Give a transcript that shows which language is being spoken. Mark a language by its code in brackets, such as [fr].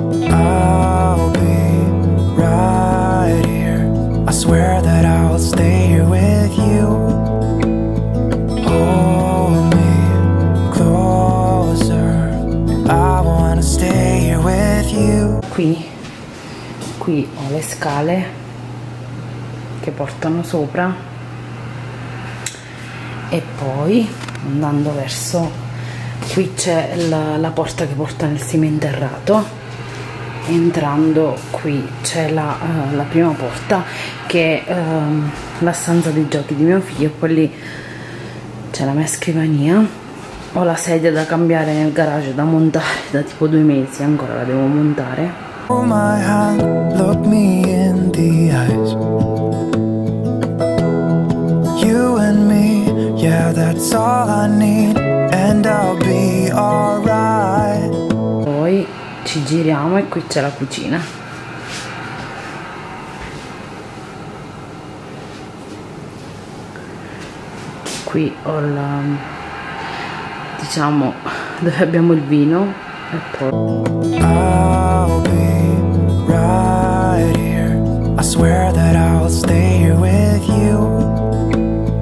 [en] I'll be right here, I swear that I'll stay here with you. Hold me closer, I wanna stay here with you. [it] Qui ho le scale che portano sopra e poi andando verso qui c'è la porta che porta nel seminterrato. Entrando qui c'è la prima porta che è la stanza dei giochi di mio figlio. Poi lì c'è la mia scrivania. Ho la sedia da cambiare nel garage, da montare da tipo 2 mesi, ancora la devo montare. [en] Oh my hand, look me in the eyes. You and me, yeah, that's all I need. And I'll be alright. [it] Poi ci giriamo e qui c'è la cucina. Qui ho la, diciamo, dove abbiamo il vino. E poi [en] I'll be right here, I swear that I'll stay here with you.